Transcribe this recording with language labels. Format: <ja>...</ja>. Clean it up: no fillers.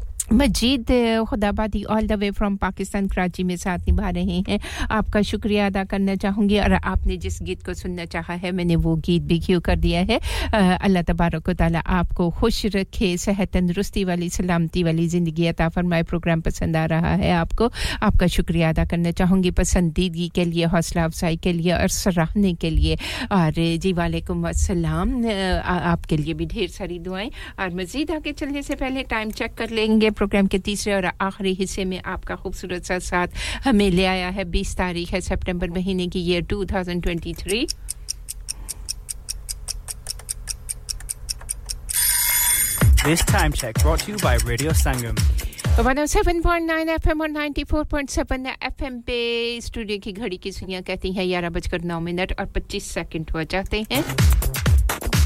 <ur>مجید خدا بادی</ur> <en>all the way from Pakistan</en> <ur>Karachi میں ساتھ نبھا رہے ہیں آپ کا شکریہ ادا کرنا چاہوں گی اور آپ نے جس گیت کو سننا چاہا ہے میں نے وہ گیت بھی کیوں کر دیا ہے اللہ تبارک و تعالیٰ آپ کو خوش رکھے صحت تندرستی والی سلامتی والی زندگی عطا فرمائے پروگرام پسند آ رہا ہے آپ کو آپ کا شکریہ ادا کرنا چاہوں گی پسندیدگی کے لیے حوصلہ افزائی کے لیے اور سراہنے کے لیے اور جی وعلیکم السلام آپ کے لیے بھی ڈھیر ساری دعائیں اور مزید آگے چلنے سے پہلے ٹائم چیک کر لیں گے پروگرام کے تیسرے اور آخری حصے میں آپ کا خوبصورت سا ساتھ ہمیں لے آیا ہے 20 تاریخ ہے سپٹمبر مہینے کی یہ 2023</ur> <en>This time check brought to you by Radio Sangam</en> <ur>107.9 FM اور 94.7 FM پہ اسٹوڈیو کی گھڑی کی سوئیاں کہتی ہیں 11:09:25 ہو جاتے ہیں</ur>